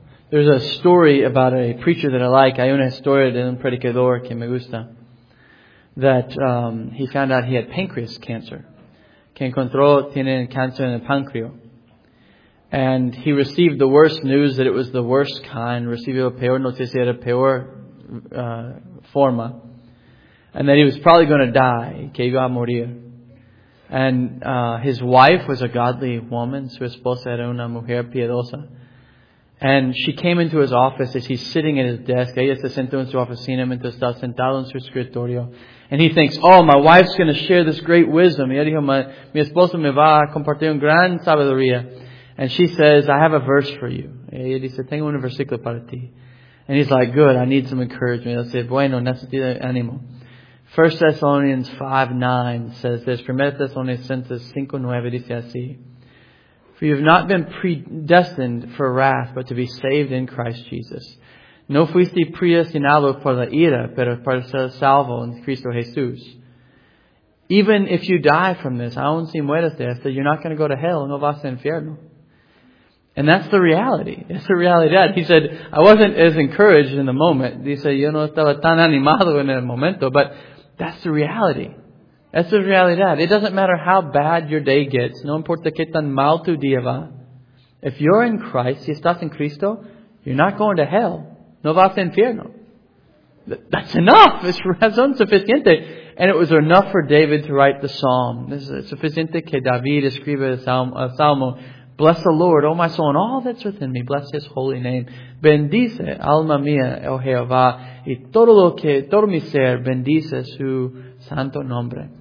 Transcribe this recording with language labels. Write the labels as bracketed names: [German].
[English] There's a story about a preacher that I like. [Spanish] Hay una historia de un predicador que me gusta. [English] That he found out he had pancreas cancer. [Spanish] Que encontró tiene cáncer en el páncreo. [English] And he received the worst news that it was the worst kind. [Spanish] Recibió peor noticia, era peor forma. [English] And that he was probably going to die. [Spanish] Que iba a morir. [English] And his wife was a godly woman. [Spanish] Su esposa era una mujer piadosa. [English] And she came into his office as he's sitting at his desk. [Spanish] Ella se sentó en su oficina mientras está sentado en su escritorio. [English] And he thinks, oh, my wife's going to share this great wisdom. [Spanish] Y ella dijo, mi esposa me va a compartir una gran sabiduría. [English] And she says, I have a verse for you. [Spanish] Y ella dice, tengo un versículo para ti. [English] And he's like, good, I need some encouragement. [Spanish] Él dice, bueno, necesito ánimo. [English] 1 Thessalonians 5:9 says this. [Spanish] 1 Thessalonians 5:9 dice así. [English] For you have not been predestined for wrath, but to be saved in Christ Jesus. [Spanish] No fuiste predestinado para la ira, pero para ser salvo en Cristo Jesús. [English] Even if you die from this, [Spanish] aun si mueres de esto, [English] you're not going to go to hell, [Spanish] no vas a infierno. [English] And that's the reality. It's the reality that he said, I wasn't as encouraged in the moment. He said, [Spanish] yo no estaba tan animado en el momento, [English] but that's the reality. That's the reality that it doesn't matter how bad your day gets. [Spanish] No importa qué tan mal tu día va. [English] If you're in Christ, [Spanish] si estás en Cristo, [English] you're not going to hell. [Spanish] No vas a infierno. [English] That's enough. [Spanish] Es razón suficiente. [English] And it was enough for David to write the psalm. [Spanish] Es suficiente que David escriba el salmo. [English] Bless the Lord, O my soul, and all that's within me. Bless His holy name. [Spanish] Bendice, alma mía, oh Jehová. Y todo mi ser, bendice su santo nombre.